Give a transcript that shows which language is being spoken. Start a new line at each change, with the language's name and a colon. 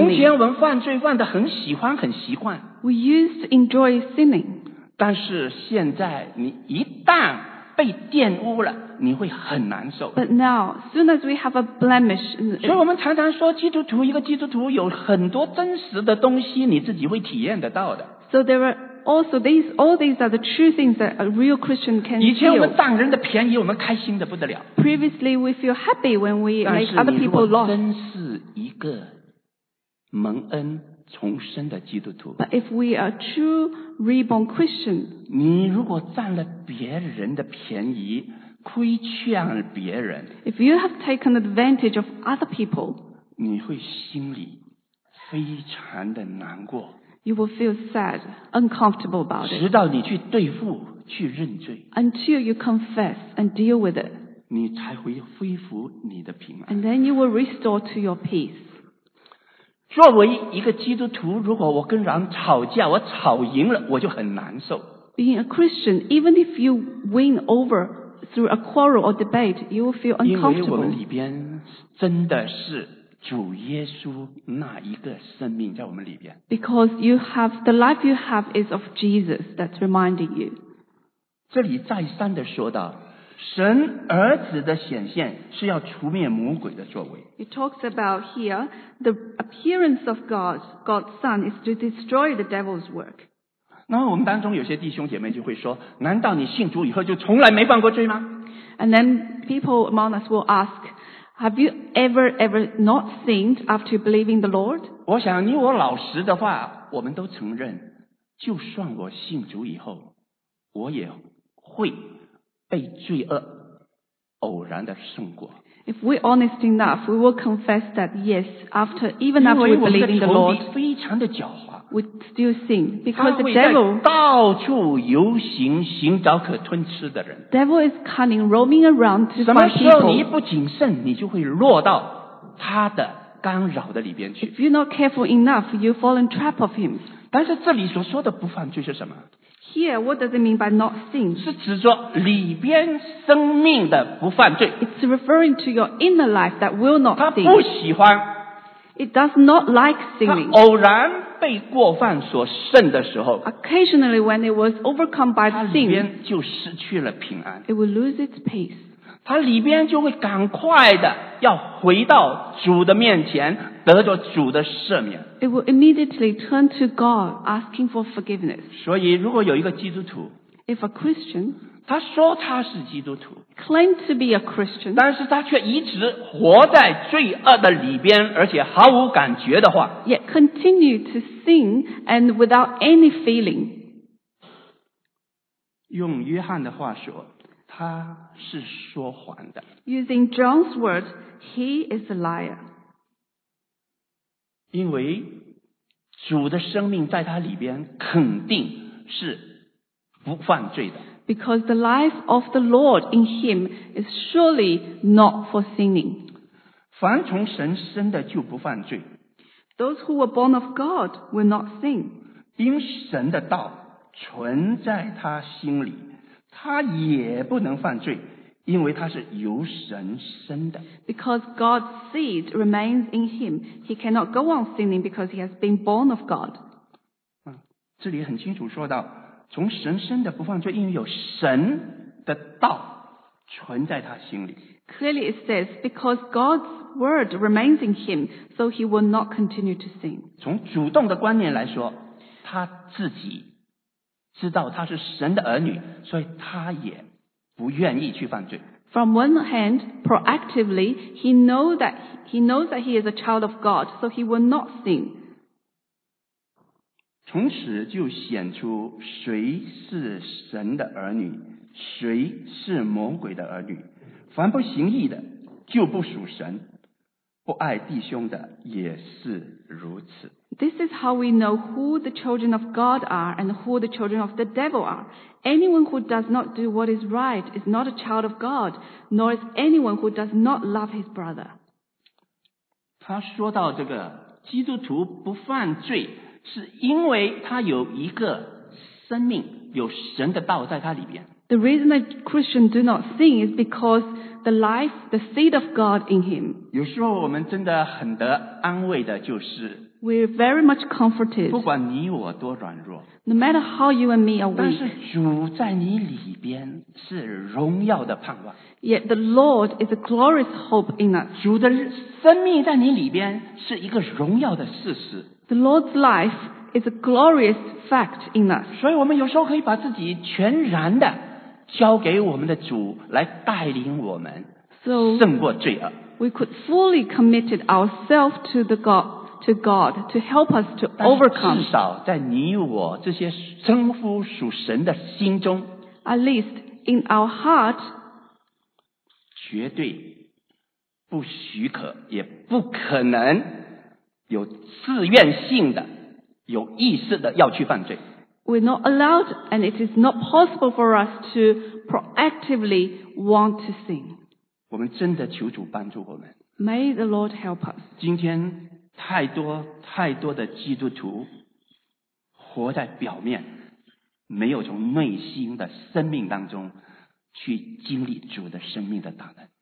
Chinese: 从前我们犯罪犯得很喜欢很习惯。
English: We used to enjoy sinning.
Chinese: 但是现在你一旦被玷污了，你会很难受。
English: But now, soon as we have a blemish,
Chinese: 所以我们常常说基督徒，一个基督徒有很多真实的东西你自己会体验得到的。
English: So there are... Also, all these are the true things that a real Christian can feel.
Chinese: 以前我们占人的便宜，我们开心的不得了。
English: Previously, we feel happy when we make other people lost.
Chinese: 但是你如果真是一个蒙恩重生的基督徒，
English: But if we are true reborn Christian,
Chinese: 你如果占了别人的便宜，亏欠别人，
English: If you have taken advantage of other people,
Chinese: 你会心里非常的难过。
English: You will feel sad, uncomfortable about it.
Chinese: 直到你去对付，去认罪。
English: Until you confess and deal with it.
Chinese: 你才会恢复你的平安。
English: And then you will restore to your peace.
Chinese: 作为一个基督徒，如果我跟人吵架，我吵赢了，我就很难受。
English: Being a Christian, even if you win over through a quarrel or debate, you will feel uncomfortable.
Chinese: 因为我们里边真的是主耶稣那一个生命在我们里边。
English: Because you have, the life you have is of Jesus that's reminding you.
Chinese: 这里再三的说到，神儿子的显现是要除灭魔鬼的作为。
English: It talks about here, the appearance of God, God's Son, is to destroy the devil's work.
Chinese: 那么我们当中有些弟兄姐妹就会说，难道你信主以后就从来没犯过罪吗？
English: And then people among us will ask,Have you ever, ever not sinned after believing the Lord?
Chinese: 我想你我老实的话，我们都承认，就算我信主以后，我也会被罪恶偶然的胜过。
English: If we're honest enough, we will confess that yes, after, even after we believe in the Lord, we still sin. Because the devil,
Chinese: 到处游行，寻找可吞吃的人。
English: Devil is cunning, roaming around to find people.
Chinese: 什么时候你不谨慎，你就会落到他的干扰的里边去。
English: If you're not careful enough, you'll fall in trap of him.
Chinese: 但是这里所说的不犯罪是什么？
English: Here, what does it mean by not sin?
Chinese: 是指说里边生命的不犯罪。
English: It's referring to your inner life that will not sin.
Chinese: 他不喜欢。
English: It does not like sinning.
Chinese: 他偶然被过犯所胜的时候。
English: Occasionally, when it was overcome by sin,
Chinese: 他里边就失去了平安。
English: It will lose its peace.
Chinese: 他里边就会赶快的要回到主的面前，得着主的赦免。
English: It will immediately turn to God, asking for forgiveness.
Chinese: 所以如果有一个基督徒，
English: If a Christian,
Chinese: 他说他是基督徒，
English: claim to be a Christian,
Chinese: 但是他却一直活在罪恶的里边，而且毫无感觉的话，
English: yet continue to sin and without any feeling.
Chinese: 用约翰的话说，他是说谎的。
English: Using John's word, he is a liar.
Chinese: 因为主的生命在他里边肯定是不犯罪的。
English: Because the life of the Lord in him is surely not for sinning.
Chinese: 凡从神生的就不犯罪。
English: Those who were born of God will not sin.
Chinese: 因神的道存在他心里，他也不能犯罪。因为他是由神生的。
English: Because God's seed remains in him, he cannot go on sinning because he has been born of God.
Chinese: 这里很清楚说到，从神生的不犯罪，因为有神的道存在他心里。
English: Clearly it says, because God's word remains in him, so he will not continue to sin.
Chinese: 从主动的观念来说，他自己知道他是神的儿女，所以他也不愿意去犯罪。
English: From one hand, proactively, he knows that he is a child of God, so he will not sin.
Chinese: 从此就显出谁是神的儿女，谁是魔鬼的儿女。凡不行义的，就不属神；不爱弟兄的，也是如此。
English: This is how we know who the children of God are and who the children of the devil are. Anyone who does not do what is right is not a child of God, nor is anyone who does not love his brother.
Chinese: 他说到这个基督徒不犯罪，是因为他有一个生命，有神的道在他里边。
English: The reason that Christians do not sin is because the life, the seed of God in him.
Chinese: 有时候我们真的很得安慰的就是，
English: We're very much comforted.
Chinese: 不管你我多软弱，
English: no matter how you and me are weak,
Chinese: 但是主在你里边是荣耀的盼望。
English: Yet the Lord is a glorious hope in us.
Chinese: 主的生命在你里边是一个荣耀的事实。
English: The Lord's life is a glorious fact in us.
Chinese: 所以我们有时候可以把自己全然的交给我们的主来带领我们胜过罪恶。
English: So, we could fully commit ourselves to the God. To God to help us to overcome.
Chinese: 至少在你我这些称呼属神的心中，
English: at least in our heart,
Chinese: 绝对不许可，也不可能有自愿性的、有意识的要去犯罪。
English: We're not allowed, and it is not possible for us to proactively want to sin.
Chinese: 我们真的求主帮助我们。
English: May the Lord help us.
Chinese: 今天。太多太多的基督徒活在表面，没有从内心的生命当中去经历主的生命的大能。